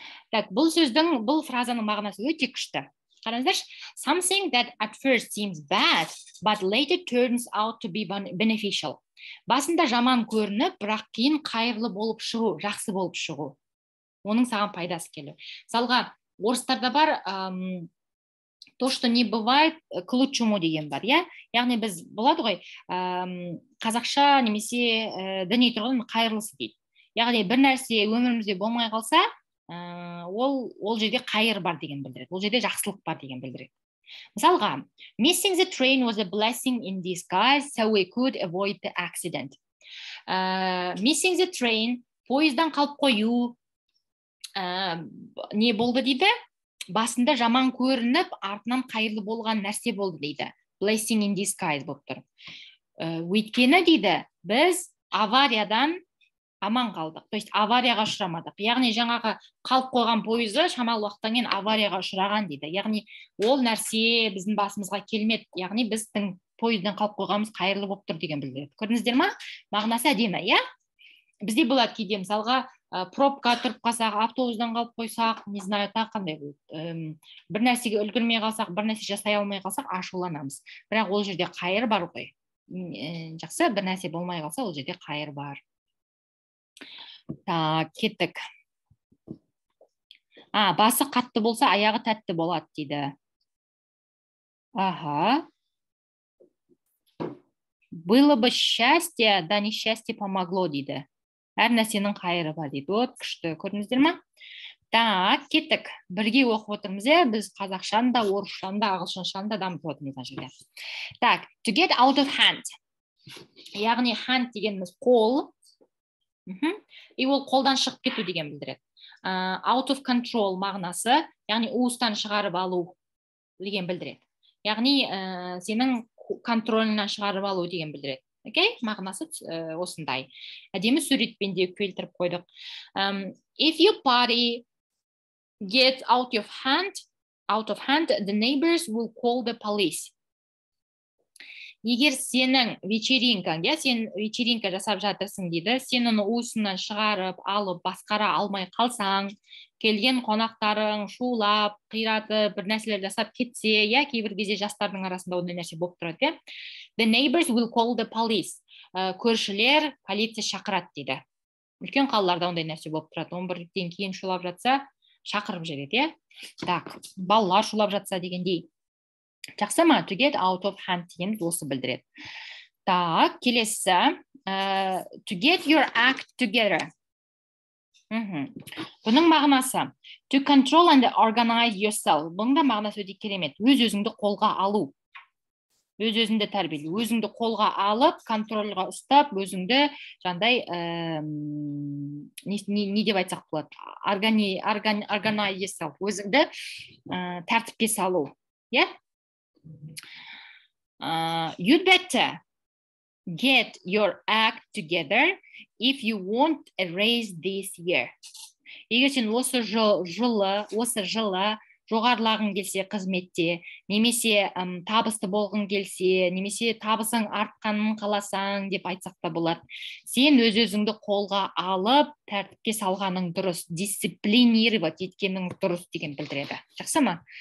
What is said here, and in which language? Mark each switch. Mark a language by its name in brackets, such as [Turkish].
[Kazakh] Так, бұл сөздің, бұл фразаның мағынасы өте күшті. [English] Қараңыздаршы, something that at first seems bad, but later turns out to be beneficial. [Kazakh] Басында жаман көрініп, бірақ кейін қайырлы болып шығу, жақсы болып шығу. Оның саған пайдасы келу. Салға, орыстарда бар, [Russian] то, что не бывает, к лучшему [Kazakh] деген бар. Я? Яғни біз болады ғой, қазақша немесе діни тұрғын қайырлысы дейді. Яғни бір нәрсе өмірімізде болмай қалса, ол жерде қайыр бар деген білдіреді. Ол жерде жақсылық бар деген білдіреді. [English] Мысалға, missing the train was a blessing in disguise, so we could avoid the accident. Missing the train, [Kazakh] поездан қалып қою, не болды дейді? Басында жаман көрініп, артынан қайырлы болған нәрсе болды дейді. [English] Blessing in disguise [Kazakh] болып тұр. Өйткені дейді, біз авариядан аман қалдық, [Russian] то есть [Kazakh] аварияға ұшырамадық. Яғни жаңағы қалып қойған пойызы шамалы уақыттан кейін аварияға ұшыраған дейді. Яғни ол нәрсе біздің басымызға келмеді. Яғни біздің пойыздан қалып қойғанымыз қайырлы болып тұр деген білдіреді. Көрдіңіздер ма? Мағынасы әдемі, иә? Бізде болады кейде, мысалға пробка тұрып қалсақ, автобустан қалып қойсақ, [Russian] не знаю, [Kazakh] та қандай бір нәрсеге үлгермей қалсақ, бір нәрсе жасай алмай қалсақ ашуланамыз. Бірақ ол жерде қайыр бар ғой. Жақсы, бір нәрсе болмай қалса, ол жерде қайыр бар. Так, кеттік. Басы қатты болса, аяғы тәтті болады дейді. Аха. [Russian] Было бы счастье, да не счастье помогло дейді. [Kazakh] Әр нәрсенің қайыры бар дейді. Вот, күшті. Көрдіңіздер ма? Так, кеттік. Бірге оқып отырмыз, иә? Біз қазақшаны да, орысшаны да, ағылшыншаны да дамытып отырмыз мына жерде. [English] Так, to get out of hand. [Kazakh] Яғни hand дегеніміз қол. И ол қолдан шығып кету деген білдіреді. [English] Out of control [Kazakh] мағынасы, яғни уыстан шығарып алу деген білдіреді. Яғни сенің контролінен шығарып алу деген білдіреді. Окей? Мағынасы осындай. Әдемі суретпен де келтіріп қойдық. [English] If your party gets out of hand, the neighbors will call the police. [Kazakh] Егер сенің вечеринкаң, сен вечеринка жасап жатырсың дейді, сен оны уысынан шығарып, алып, басқара алмай қалсаң, келген қонақтарың шулап, қиратып, бір нәрселер жасап кетсе, кейбір кезде жастардың арасында ондай нәрсе болып тұрады, иә? [English] The neighbors will call the police. [Kazakh] Көршілер полиция шақырады дейді. Үлкен қалаларда ондай нәрсе болып тұрады. 11-ден кейін шулап жатса, шақырып жібереді, иә? Так, балалар шулап жатса дегендей. Жақсы ма? To get out of hand деген осы білдіреді. Так, келесі. [English] To get your act together. [Kazakh] Бұның мағынасы. [English] To control and organize yourself. [Kazakh] Бұның да мағынасы өте керемет. Өз-өзіңді қолға алу. өз өзіңді тәрбиелей, өзіңді қолға алып, контрольға ұстап, өзіңді жандай не деп айтсақ болады? Органайз, өзіңді тәртіпке салу. Иә? [English] You'd better get your act together if you want a raise this year. [Kazakh] Егер сен осы жылы жоғарылағың келсе қызметте, немесе табысты болғың келсе, немесе табысың артқанын қаласаң деп айтсақ та болады. Сен өз-өзіңді қолға алып, тәртіпке салғаның дұрыс, дисциплинировать еткенің дұрыс деген білдіреді. Жақсы ма?